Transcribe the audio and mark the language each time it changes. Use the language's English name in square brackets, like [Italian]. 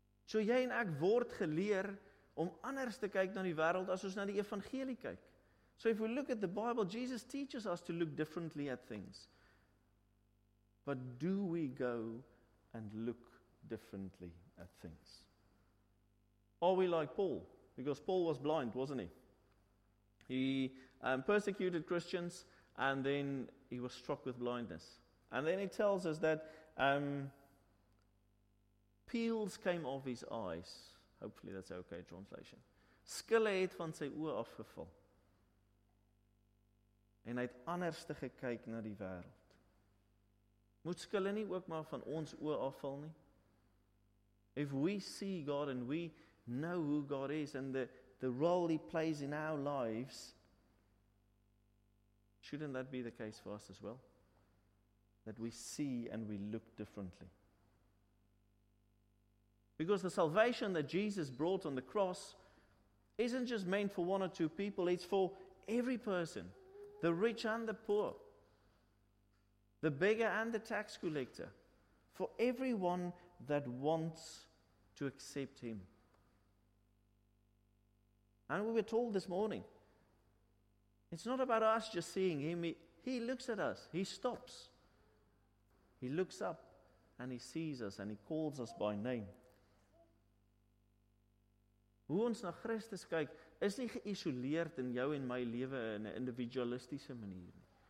[Afrikaans] So jy en ek word geleer om anders te kyk na die wêreld as ons na die evangelie kyk. [English] So if we look at the Bible, Jesus teaches us to look differently at things. But do we go and look differently at things? Are we like Paul? Because Paul was blind, wasn't he? He persecuted Christians and then he was struck with blindness. And then it tells us that peels came off his eyes. Hopefully that's okay translation. [Afrikaans] Skille het van sy oë afgeval. En hy het anders te gekyk na die wêreld. Moet skille nie ook maar van ons oë afval nie? [English] If we see God and we know who God is and the role he plays in our lives, shouldn't that be the case for us as well? That we see and we look differently. Because the salvation that Jesus brought on the cross isn't just meant for one or two people, it's for every person. The rich and the poor. The beggar and the tax collector. For everyone that wants to accept him. And we were told this morning, it's not about us just seeing him. He looks at us. He stops. He looks up and he sees us and he calls us by name. [Afrikaans] Hoe ons na Christus kyk, is nie geïsoleerd in jou en my lewe in 'n individualistiese manier nie.